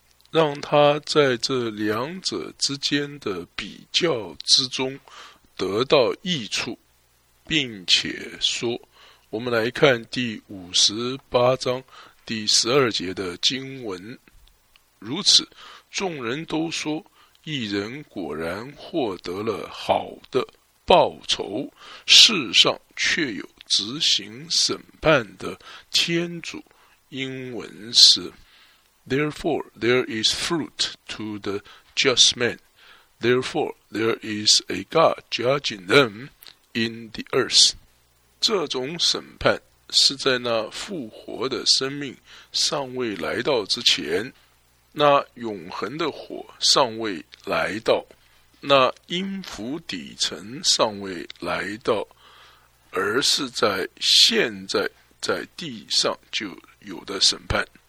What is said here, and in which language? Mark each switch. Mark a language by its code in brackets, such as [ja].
[zh] 让他在这两者之间的比较之中得到益处，并且说，我们来看第58章第12节的经文。如此，众人都说，一人果然获得了好的报酬，世上却有执行审判的天主。 [en] 英文是Therefore, there is fruit to the just man. Therefore, there is a God judging them in the earth. [zh] 这种审判是在那复活的生命尚未来到之前，那永恒的火尚未来到，那阴符底层尚未来到，而是在现在在地上就有的审判。